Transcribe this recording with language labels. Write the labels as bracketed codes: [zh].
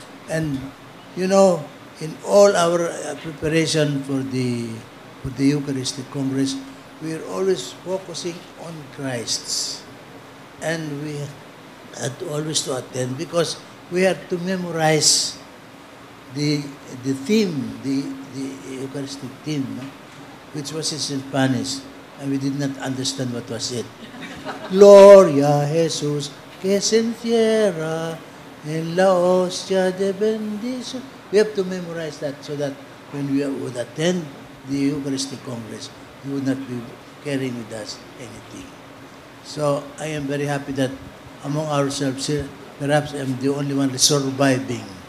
[en] And you know, in all our preparation for the Eucharistic Congress, we are always focusing on Christ. And we had always to attend because we have to memorize the theme, the Eucharistic theme, no? Which was in Spanish, and we did not understand what was it. [es] Gloria Jesus que se encierra en la hostia de bendición. [en] We have to memorize that so that when we would attend the Eucharistic Congress, we would not be carrying with us anything. So I am very happy that among ourselves here, perhaps I am the only one surviving.